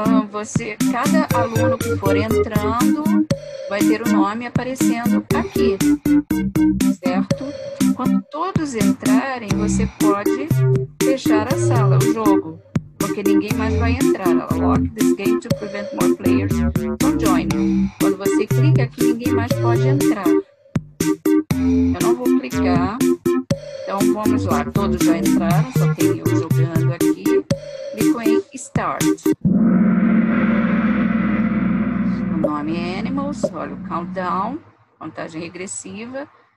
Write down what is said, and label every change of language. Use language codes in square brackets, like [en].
[pt] Você, cada aluno que for entrando vai ter o nome aparecendo aqui, certo? Quando todos entrarem, você pode fechar a sala, o jogo, porque ninguém mais vai entrar. [en] Lock this game to prevent more players from joining. [pt] Quando você clica aqui, ninguém mais pode entrar. Eu não vou clicar. Então vamos lá, todos já entraram, só tem eu jogando aqui. Clico em Start. Nome Animals, olha o countdown, contagem regressiva.